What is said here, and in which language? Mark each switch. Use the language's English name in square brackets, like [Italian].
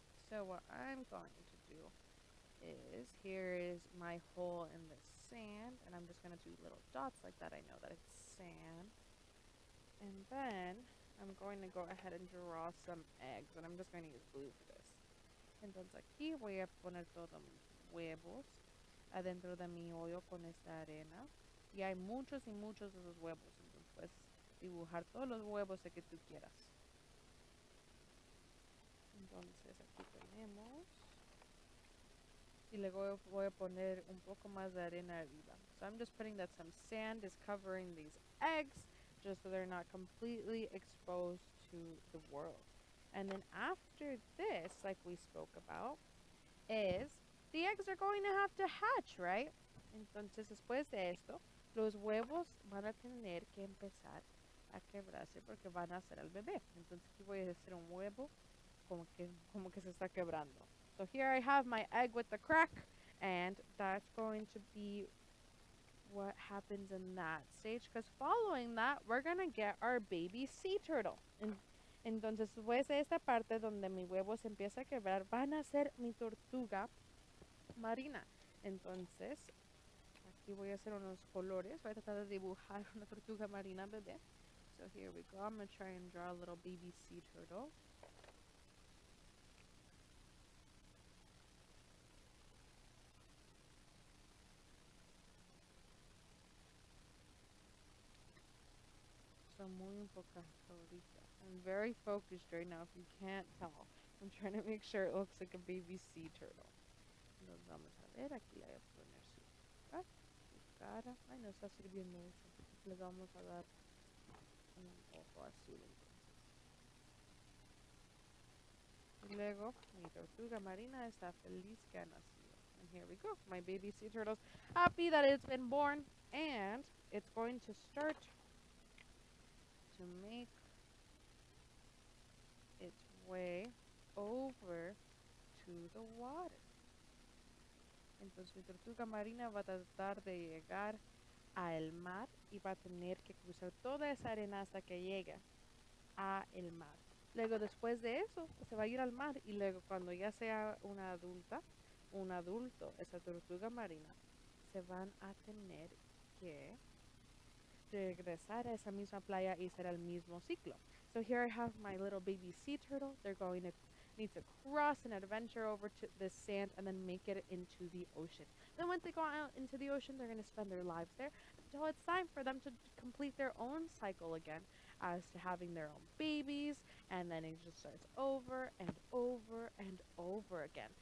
[English] So what I'm going to do is, here is my hole in the sand, and I'm just going to do little dots like that. I know that it's sand. And then I'm going to go ahead and draw some eggs, and I'm just going to use blue for this. [Spanish] Entonces aquí voy a poner todos los huevos adentro de mi hoyo con esta arena. Y hay muchos y muchos de esos huevos. Dibujar todos los huevos que tú quieras. Entonces aquí tenemos. Y luego voy a poner un poco más de arena arriba. [English] So I'm just putting that some sand is covering these eggs, just so they're not completely exposed to the world. And then after this, like we spoke about, is the eggs are going to have to hatch, right? [Spanish] Entonces después de esto, los huevos van a tener que empezar a quebrarse porque van a hacer el bebé. Entonces aquí voy a hacer un huevo como que se está quebrando. [English] So here I have my egg with the crack, and that's going to be what happens in that stage, because following that we're gonna get our baby sea turtle. [Spanish] Entonces después de esta parte donde mi huevo se empieza a quebrar, van a ser mi tortuga marina. Entonces aquí voy a hacer unos colores, voy a tratar de dibujar una tortuga marina bebé. [English] So here we go. I'm going to try and draw a little baby sea turtle. So [Spanish] muy poca colorita. [English] I'm very focused right now, if you can't tell. I'm trying to make sure it looks like a baby sea turtle. [Spanish] Entonces vamos a ver, aquí hay que poner su cara. Ay, no está sirviendo mucho. Le vamos a dar azul. Y luego mi tortuga marina está feliz que ha nacido. [English] And here we go, my baby sea turtles happy that it's been born, and it's going to start to make its way over to the water. [Spanish] Entonces mi tortuga marina va a tratar de llegar al mar y va a tener que cruzar toda esa arena hasta que llegue a el mar. Luego después de eso se va a ir al mar, y luego cuando ya sea una adulta, un adulto, esa tortuga marina, se van a tener que regresar a esa misma playa y hacer el mismo ciclo. [English] So here I have my little baby sea turtle. They're going to need to cross and adventure over to this sand and then make it into the ocean. Then once they go out into the ocean, they're going to spend their lives there until it's time for them to complete their own cycle again, as to having their own babies, and then it just starts over and over and over again.